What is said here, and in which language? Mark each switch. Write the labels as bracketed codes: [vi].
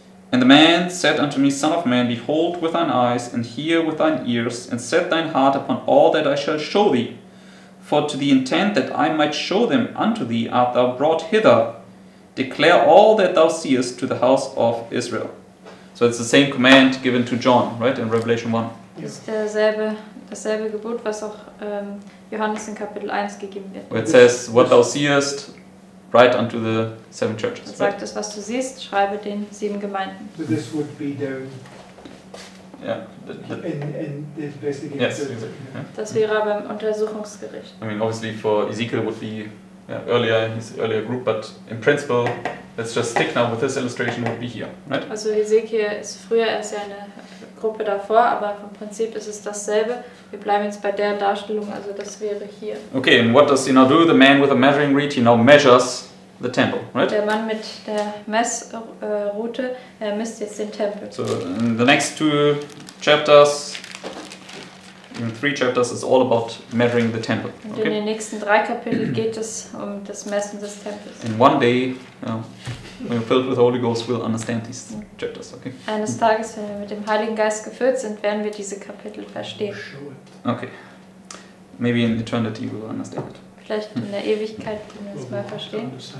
[en] And the man said unto me, Son of man, behold with thine eyes, and hear with thine ears, and set thine heart upon all that I shall show thee. For to the intent that I might show them unto thee art thou brought hither. Declare all that thou seest to the house of Israel. So it's the same command given to John, right, in Revelation 1. [de] Das ist dasselbe Gebot, was auch Johannes in Kapitel 1 gegeben wird. [en] Where it says, what thou seest, write unto the seven churches. [de] Er sagt, das, was du siehst, schreibe den sieben Gemeinden. [en] So this would be down. Yeah. In the investigation. Yes, exactly. [de] Das wäre beim Untersuchungsgericht. [en] I mean, obviously for Ezekiel would be earlier, his earlier group, but in principle, let's just stick now with this illustration, would be here, right? [de] Also Ezekiel ist früher, er ist ja eine Gruppe davor, aber vom Prinzip ist es dasselbe. Wir bleiben jetzt bei der Darstellung, also das wäre hier. [en] Okay, and what does he now do? The man with a measuring reed, he now measures the temple, right? [de] Der Mann mit der Messrute, er misst jetzt den Tempel. [en] So, in the next two chapters, in three chapters, it's all about measuring the temple. Okay? [de] In den nächsten drei Kapiteln geht es um das Messen des Tempels. [en] In one day, when we're filled with the Holy Ghost, we'll understand these chapters, okay? [de] Eines Tages, wenn wir mit dem Heiligen Geist gefüllt sind, werden wir diese Kapitel verstehen. [en] Okay. Maybe in eternity we'll understand it. [de] Vielleicht in der Ewigkeit können wir es mal verstehen.